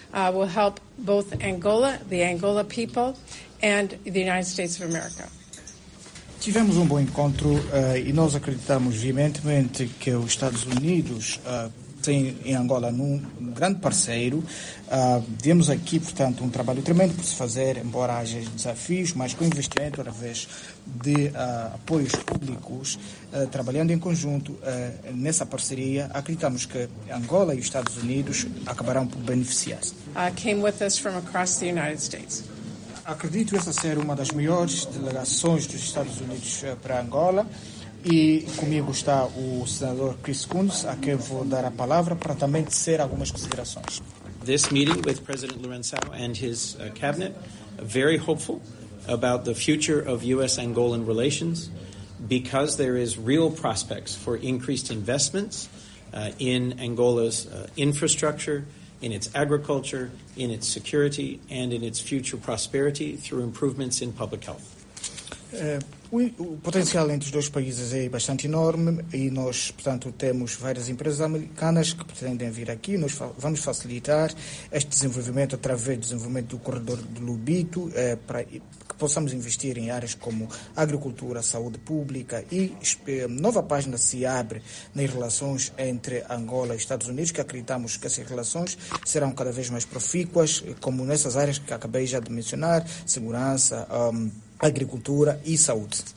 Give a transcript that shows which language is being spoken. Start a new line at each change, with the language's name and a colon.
English: I will help both Angola, the Angola people, and the United States of America.
Portuguese: Tivemos um bom encontro e nós acreditamos veementemente que os Estados Unidos têm em Angola um grande parceiro. Vemos aqui, portanto, um trabalho tremendo por se fazer, embora haja desafios, mas com investimento através de apoios públicos, trabalhando em conjunto nessa parceria, acreditamos que Angola e os Estados Unidos acabarão por beneficiar-se.
English: Came with us from across the United States.
Portuguese: Acredito essa ser uma das melhores delegações dos Estados Unidos para Angola. E comigo está o senador Chris Kunz, a quem vou dar a palavra para também tecer algumas considerações.
English: This meeting with President Lourenço and his cabinet, very hopeful about the future of U.S.-Angolan relations, because there is real prospects for increased investments in Angola's infrastructure, in its agriculture, in its security, and in its future prosperity through improvements in public health.
Portuguese: O potencial entre os dois países é bastante enorme e nós, portanto, temos várias empresas americanas que pretendem vir aqui. Nós vamos facilitar este desenvolvimento através do desenvolvimento do corredor do Lobito, para que possamos investir em áreas como agricultura, saúde pública e nova página se abre nas relações entre Angola e Estados Unidos, que acreditamos que essas relações serão cada vez mais profícuas, como nessas áreas que acabei já de mencionar, segurança, agricultura e saúde.